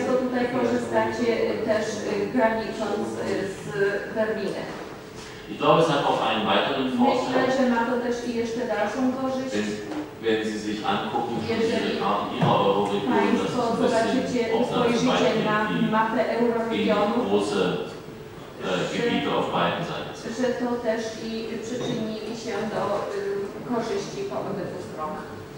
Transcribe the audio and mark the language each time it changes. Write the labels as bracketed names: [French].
[Polish] Tutaj korzystacie też granicząc z Berlinem. [German] Ich glaube, es hat auch einen weiteren Vorteil. [Polish] Myślę, że ma to też i jeszcze dalszą korzyść. [German] Wenn Sie sich angucken, diese Karten Ihrer Euroregion, das ist ein bisschen auf das Beispiel, wie große Gebiete auf beiden Seiten sind. [Polish] To też i przyczyni się do korzyści po obydwu stronach.